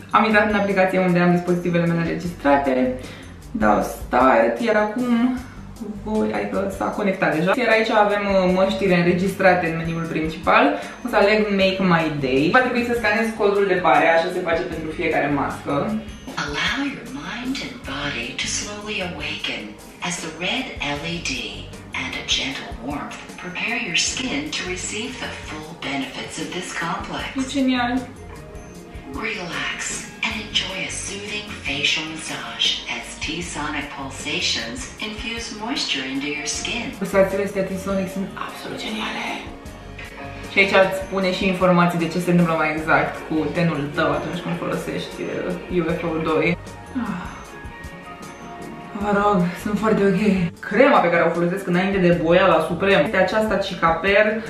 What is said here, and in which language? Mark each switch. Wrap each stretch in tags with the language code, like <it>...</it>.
<ro>Am intrat în aplicație unde am dispozitivele mele înregistrate, dau start, iar acum voi, adică s-a conectat deja. Iar aici avem măștile înregistrate în meniul principal, o să aleg Make My Day. Va trebui să scanez codul de bare, așa se face pentru fiecare mască.</ro> <en>Allow your mind and body to slowly awaken as the red LED and a gentle warmth prepare your skin to receive the full benefits of this complex.</en> <ro>Genial.</ro> <en>Relax and enjoy a soothing facial massage as T-Sonic pulsations infuse moisture into your skin.</en> <ro>Pulsațiile astea T-Sonic sunt absolut geniale. Și aici îți spune și informații de ce se întâmplă mai exact cu tenul tău atunci când folosești UFO 2. Vă rog, sunt foarte ok. Crema pe care o folosesc înainte de boiala supremă este aceasta Cicaper.</ro>